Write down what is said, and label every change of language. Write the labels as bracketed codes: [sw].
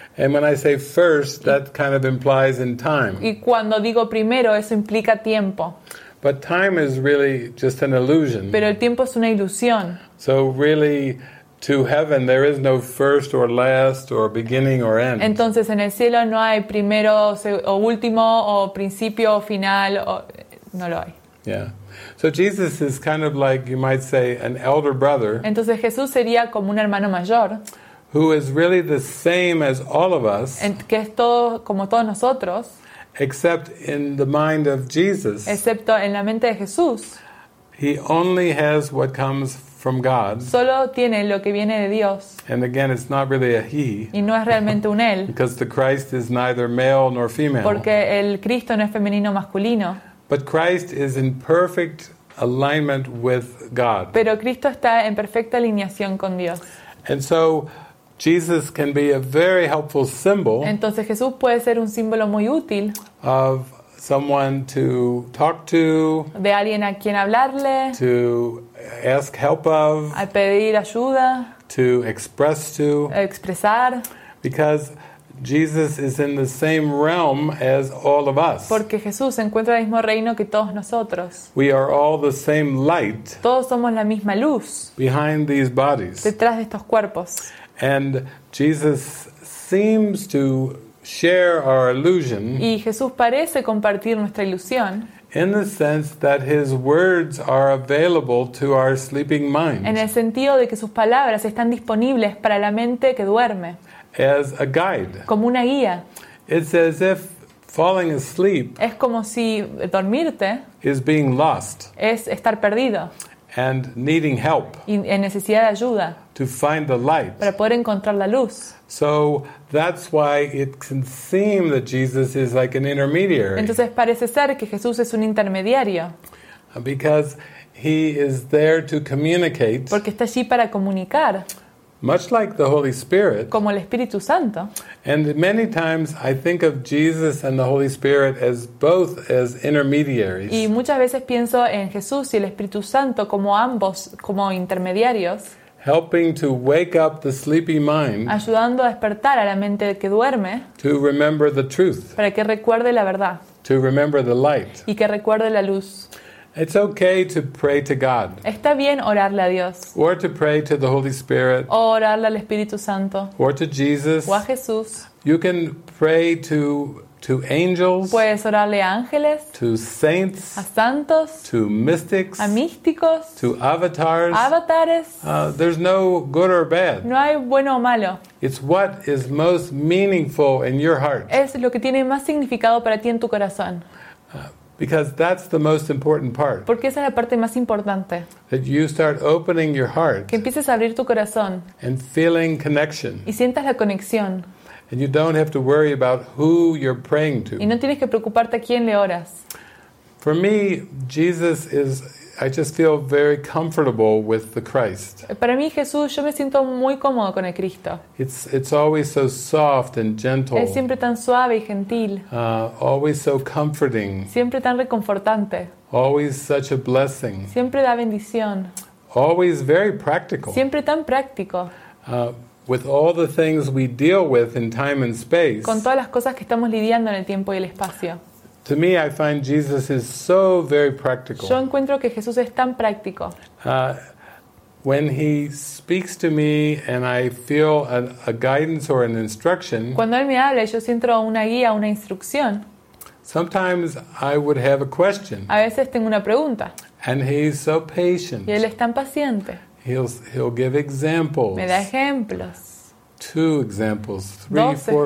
[en] And when I say first, that kind of implies in time. [es] Y cuando digo primero, eso implica tiempo. [en] But time is really just an illusion. [es] Pero el tiempo es una ilusión. [en] So really, to heaven, there is no first or last or beginning or end. [es] Entonces, en el cielo no hay primero o último o principio o final. O, no lo hay. [en] Yeah. So Jesus is kind of like, you might say, an elder brother. [es] Entonces Jesús sería como un hermano mayor. [en] Who is really the same as all of us. [es] Que es todo, como todos nosotros. [en] Except in the mind of Jesus. [es] Excepto en la mente de Jesús. [en] He only has what comes from God. [es] Solo tiene lo que viene de Dios. [en] And again, it's not really a he. [es] Y no es realmente un él. [en] Because the Christ is neither male nor female. [es] Porque el Cristo no es femenino masculino. [en] But Christ is in perfect alignment with God. [es] Pero Cristo está en perfecta alineación con Dios. [en] And so Jesus can be a very helpful symbol. [es] Entonces Jesús puede ser un símbolo muy útil. [en] Of someone to talk to. [es] De alguien a quien hablarle. [en] To ask help of. [es] A pedir ayuda. [en] To express to. [es] Expresar. [en] Because Jesus is in the same realm as all of us. [es] Porque Jesús se encuentra en el mismo reino que todos nosotros. [en] We are all the same light. [es] Todos somos la misma luz. [en] Behind these bodies. [es] Detrás de estos cuerpos. [en] And Jesus seems to share our illusion. [es] Y Jesús parece compartir nuestra ilusión. [en] In the sense that his words are available to our sleeping minds. [es] En el sentido de que sus palabras están disponibles para la mente que duerme. [en] As a guide. [es] Como una guía. [en] It's as if falling asleep. [es] Es como si dormirte. [en] Is being lost. [es] Es estar perdido. [en] And needing help. [es] Y en necesidad de ayuda. [en] To find the light. [es] Para poder encontrar la luz. [en] So that's why it can seem that Jesus is like an intermediary. [es] Entonces parece ser que Jesús es un intermediario. [en] Because he is there to communicate. [es] Porque está allí para comunicar. [en] Much like the Holy Spirit. [es] Como el Espíritu Santo. [en] And many times I think of Jesus and the Holy Spirit as both as intermediaries. [es] Y muchas veces pienso en Jesús y el Espíritu Santo como ambos, como intermediarios. [en] Helping to wake up the sleepy mind. [es] Ayudando a despertar a la mente que duerme. [en] To remember the truth. [es] Para que recuerde la verdad. [en] To remember the light. [es] Y que recuerde la luz. [en] It's okay to pray to God. [es] Está bien orarle a Dios. [en] Or to pray to the Holy Spirit. [es] O orarle al Espíritu Santo. [en] Or to Jesus. [es] O a Jesús. [en] You can pray to angels. [es] Puedes orarle a ángeles. [en] To saints. [es] A santos. [en] To mystics. [es] A místicos. [en] To avatars. [es] Avatares. [en] There's no good or bad. [es] No hay bueno o malo. [en] It's what is most meaningful in your heart. [es] Es lo que tiene más significado para ti en tu corazón. [en] Because that's the most important part. [es] Porque esa es la parte más importante. [en] That you start opening your heart. [es] Que empieces a abrir tu corazón. [en] And feeling connection. [es] Y sientas la conexión. [en] And you don't have to worry about who you're praying to. [es] Y no tienes que preocuparte a quién le oras. [en] For me, Jesus is. I just feel very comfortable with the Christ. [es] Para mí, Jesús, yo me siento muy cómodo con el Cristo. [en] It's always so soft and gentle. [es] Es siempre tan suave y gentil. [en] Always so comforting. [es] Siempre tan reconfortante. [en] Always such a blessing. [es] Siempre da bendición. [en] Always very practical. [es] Siempre tan práctico. [en] With all the things we deal with in time and space. [es] Con todas las cosas que estamos lidiando en el tiempo y el espacio. [en] To me, I find Jesus is so very practical. [es] Yo encuentro que Jesús es tan práctico. [en] When he speaks to me and I feel a guidance or an instruction. [es] Cuando él me habla, yo siento una guía, una instrucción. [en] Sometimes I would have a question. [es] A veces tengo una pregunta. [en] And he's so patient. [es] Y él es tan paciente. [en] He'll give examples. [es] Me da ejemplos. [en] Two examples, three, [es] dos [en] four,